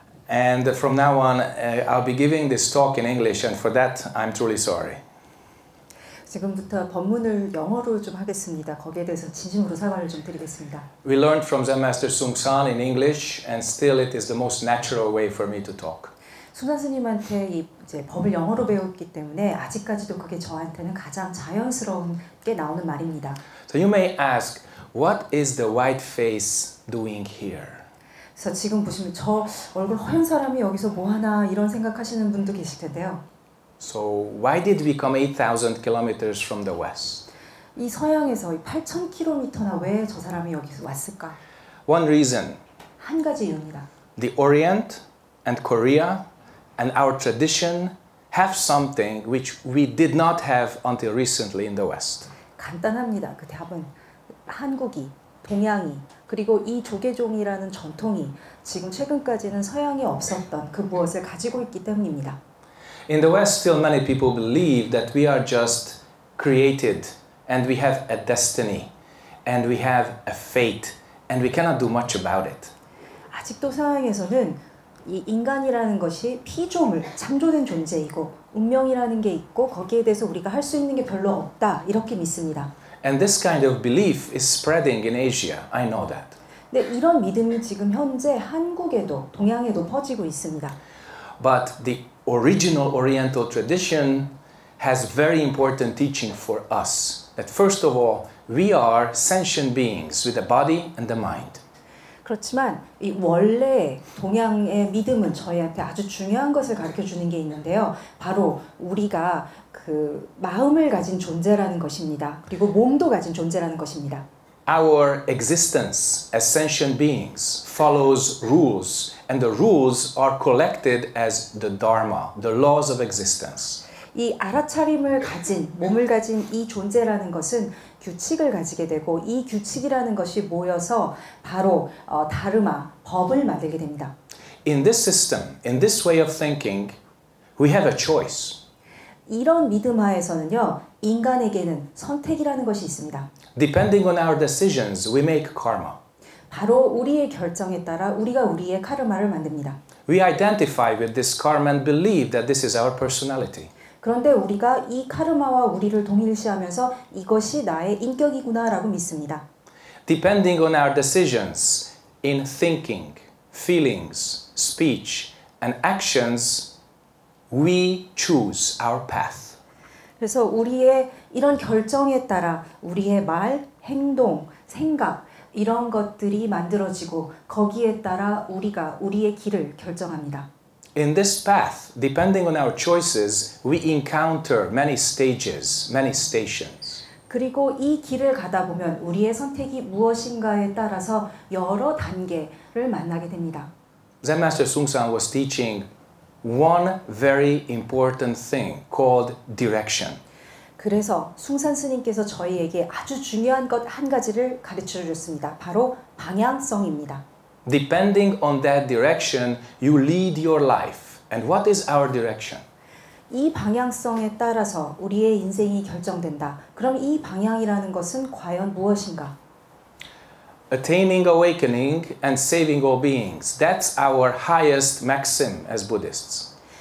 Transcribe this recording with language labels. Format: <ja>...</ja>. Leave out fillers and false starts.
<en>And from now on, I'll be giving this talk in English, and for that, I'm truly sorry.</en> <ko>지금부터 법문을 영어로 좀 하겠습니다. 거기에 대해서 진심으로 사과를 좀 드리겠습니다.</ko> <en>We learned from Zen Master Sung San in English, and still it is the most natural way for me to talk.</en> <ko>순산 스님한테 이제 법을 영어로 배웠기 때문에 아직까지도 그게 저한테는 가장 자연스럽게 나오는 말입니다.</ko> <en>So you may ask, what is the white face doing here?</en> <ko>그래서 지금 보시면 저 얼굴 허연 사람이 여기서 뭐 하나 이런 생각하시는 분도 계실 텐데요.</ko> <en>So why did we come 8,000 kilometers from the west?</en> <ko>이 서양에서 8,000 km나 왜 저 사람이 여기서 왔을까?</ko> <en>One reason.</en> <ko>한 가지 이유입니다.</ko> <en>The Orient and Korea and our tradition have something which we did not have until recently in the west.</en> <ko>간단합니다. 그 답은 한국이, 동양이, 그리고 이 조계종이라는 전통이 지금 최근까지는 서양에 없었던 그 무엇을 가지고 있기 때문입니다.</ko> <en>In the West, still many people believe that we are just created and we have a destiny and we have a fate and we cannot do much about it.</en> <ko>아직도 서양에서는 이 인간이라는 것이 피조물, 창조된 존재이고 운명이라는 게 있고 거기에 대해서 우리가 할 수 있는 게 별로 없다 이렇게 믿습니다.</ko> <en>And this kind of belief is spreading in Asia. I know that.</en> <ko>네, 이런 믿음이 지금 현재 한국에도 동양에도 퍼지고 있습니다.</ko> <en>But the original Oriental tradition has very important teaching for us. That first of all, we are sentient beings with a body and a mind.</en> <ko>그렇지만 이 원래 동양의 믿음은 저희한테 아주 중요한 것을 가르쳐 주는 게 있는데요. 바로 우리가 그 마음을 가진 존재라는 것입니다. 그리고 몸도 가진 존재라는 것입니다.</ko> <en>Our existence as sentient beings follows rules, and the rules are collected as the Dharma, the laws of existence.</en> <ko>이 알아차림을 가진 몸을 가진 이 존재라는 것은 규칙을 가지게 되고 이 규칙이라는 것이 모여서 바로 다르마 법을 만들게 됩니다.</ko> <en>In this system, in this way of thinking, we have a choice.</en> <ko>이런 믿음 하에서는요, 인간에게는 선택이라는 것이 있습니다.</ko> <en>Depending on our decisions, we make karma.</en> <ko>바로 우리의 결정에 따라 우리가 우리의 카르마를 만듭니다.</ko> <en>We identify with this karma and believe that this is our personality.</en> <ko>그런데 우리가 이 카르마와 우리를 동일시하면서 이것이 나의 인격이구나라고 믿습니다.</ko> <en>Depending on our decisions in thinking, feelings, speech, and actions, we choose our path.</en> <ko>그래서 우리의 이런 결정에 따라 우리의 말, 행동, 생각 이런 것들이 만들어지고 거기에 따라 우리가 우리의 길을 결정합니다.</ko> <en>In this path, depending on our choices, we encounter many stages, many stations.</en> <ko>그리고 이 길을 가다 보면 우리의 선택이 무엇인가에 따라서 여러 단계를 만나게 됩니다.</ko> <en>Zen Master Sung San was teaching one very important thing called direction.</en> <ko>그래서 숭산 스님께서 저희에게 아주 중요한 것 한 가지를 가르쳐 주셨습니다. 바로 방향성입니다.</ko> <en>Depending on that direction, you lead your life. And what is our direction?</en> <ko>이 방향성에 따라서 우리의 인생이 결정된다. 그럼 이 방향이라는 것은 과연 무엇인가?</ko> <en>Attaining awakening and saving all beings. That's our highest maxim as Buddhists.</en>